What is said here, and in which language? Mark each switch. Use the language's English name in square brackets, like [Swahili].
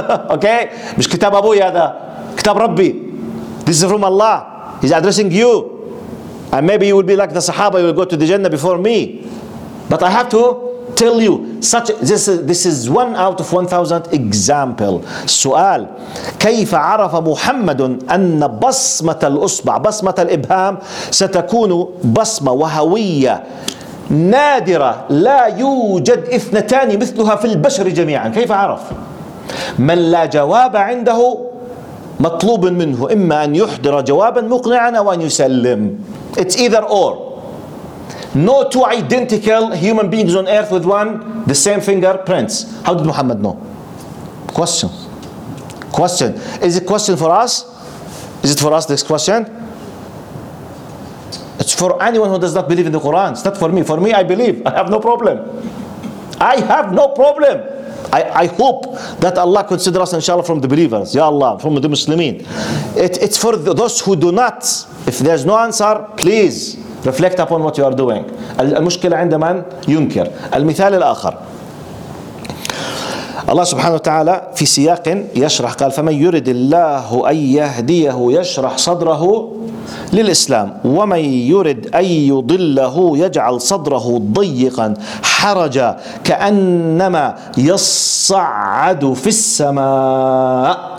[English] Okay? [Arabic] مش كتاب أبوي هذا. كتاب ربي. [English] This is from Allah. He's addressing you. And maybe you will be like the Sahaba, you will go to the Jannah before me. But I have to tell you, this is one out of 1,000 example. [Arabic] سؤال: كيف عرف محمد أن بصمة الأصبع، بصمة الإبهام، ستكون بصمة وهوية نادرة لا يوجد اثنتان مثلها في البشر جميعا؟ كيف عرف؟ من لا جواب عنده مطلوب منه إما أن يحضر جوابا مقنعا أو أن يسلم. [English] It's either or. No two identical human beings on earth with one, the same fingerprints. How did Muhammad know? Question. Question. Is it a question for us? Is it for us, this question? It's for anyone who does not believe in the Quran. It's not for me. For me, I believe. I have no problem. I have no problem. I hope that Allah consider us, inshallah, from the believers. Ya Allah, from the Muslimin. It's for those who do not. If there's no answer, please reflect upon what you are doing. [Arabic] المشكلة عند من ينكر. المثال الآخر. الله سبحانه وتعالى في سياق يشرح قال فمن يرد الله أن يهديه يشرح صدره للإسلام ومن يرد أن يضله يجعل صدره ضيقا حرجا كأنما يصعد في السماء.